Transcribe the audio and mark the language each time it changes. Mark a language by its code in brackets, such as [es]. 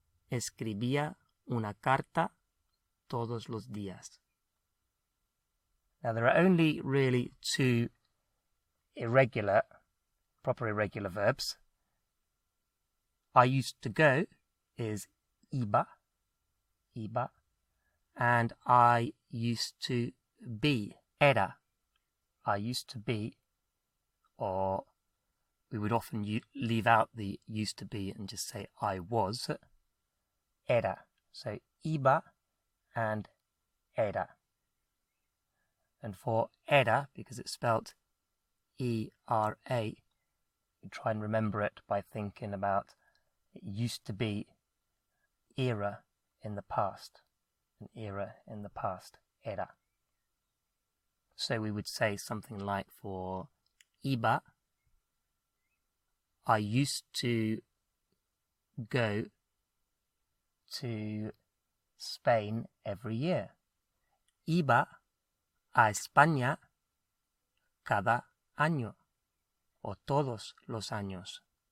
[es] Escribía una carta todos los días. [en] Now there are only really two irregular, proper irregular verbs. I used to go is iba, iba. And I used to be, era. I used to be, or we would often leave out the used to be and just say I was, era. So iba and era. And for era, because it's spelt E-R-A, you try and remember it by thinking about it used to be era in the past. An era in the past, era. So we would say something like for iba, I used to go to Spain every year. [es] Iba a España cada año, o todos los años.